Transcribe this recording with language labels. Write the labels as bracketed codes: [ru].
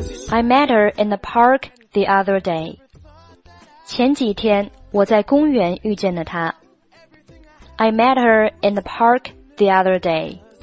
[en] I met her in the park the other day. [zh] 前几天我在公园遇见了她。 [en] I met her in the park the other day.